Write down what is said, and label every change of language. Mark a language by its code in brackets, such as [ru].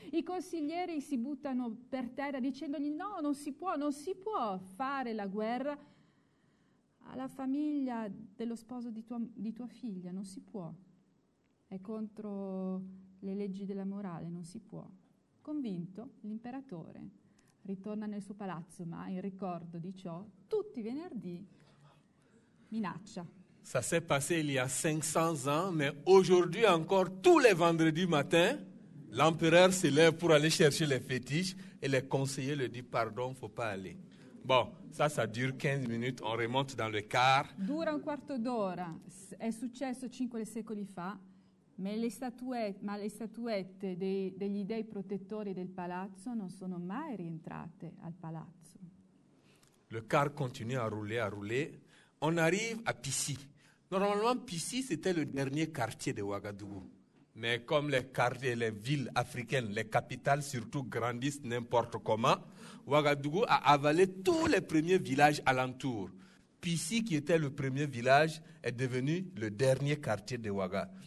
[it] I consiglieri si buttano per terra dicendogli no, non si può fare la guerra alla famiglia dello sposo di tua figlia, non si può. È contro le leggi della morale, non si può. Convinto, l'imperatore ritorna nel suo palazzo, ma in ricordo di ciò, tutti i venerdì minaccia. [fr] Ça s'est passé il y a 500 ans, mais aujourd'hui encore, tous les vendredis matin, L'empereur se lève pour aller chercher les fétiches et les conseillers lui disent pardon, faut pas aller. Bon, ça, ça dure 15 minutes, on remonte dans le car. [it] Dura un quarto d'ora, è successo 5 secoli fa, ma le statuette degli dei protettori del palazzo non sono mai rientrate al palazzo. [fr] Le car continue à rouler, on arrive à Pissi. Normalement, Pissi, c'était le dernier quartier de Ouagadougou. Mais comme les quartiers, les villes africaines, les capitales surtout grandissent n'importe comment, Ouagadougou a avalé tous les premiers villages alentour. Pissi, qui était le premier village, est devenu le dernier quartier de Ouaga.